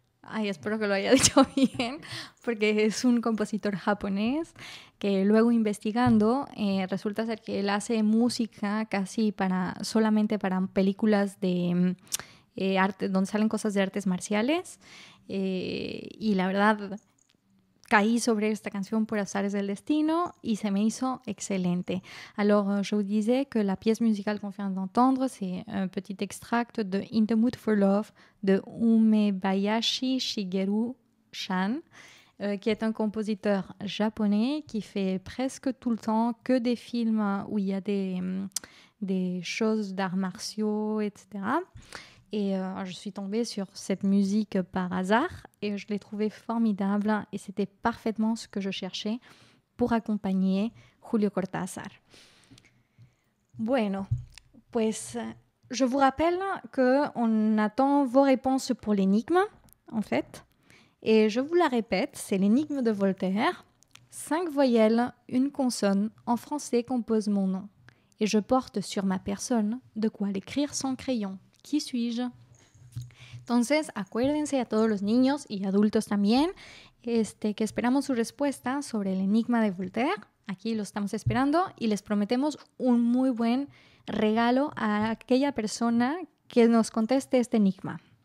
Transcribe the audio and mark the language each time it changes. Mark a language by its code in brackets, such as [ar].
[es] Ay, espero que lo haya dicho bien, porque es un compositor japonés que luego investigando resulta ser que él hace música casi para solamente para películas de arte, donde salen cosas de artes marciales. Y la verdad, caí sobre esta canción por azares del destino y se me hizo excelente. [fr] Alors, je vous disais que la pièce musicale qu'on vient d'entendre, c'est un petit extract de In the Mood for Love de Umebayashi Shigeru Shan, qui est un compositeur japonais qui fait presque tout le temps que des films où il y a des choses d'arts martiaux, etc. Et je suis tombée sur cette musique par hasard et je l'ai trouvée formidable et c'était parfaitement ce que je cherchais pour accompagner Julio Cortázar. [es] Bueno, pues [fr] je vous rappelle qu'on attend vos réponses pour l'énigme, en fait. Et je vous la répète, c'est l'énigme de Voltaire. 5 voyelles, une consonne, en français compose mon nom. Et je porte sur ma personne de quoi l'écrire sans crayon. ¿Qui suis-je? [es] Entonces, acuérdense a todos los niños y adultos también que esperamos su respuesta sobre el enigma de Voltaire. Aquí lo estamos esperando y les prometemos un muy buen regalo a aquella persona que nos conteste este enigma.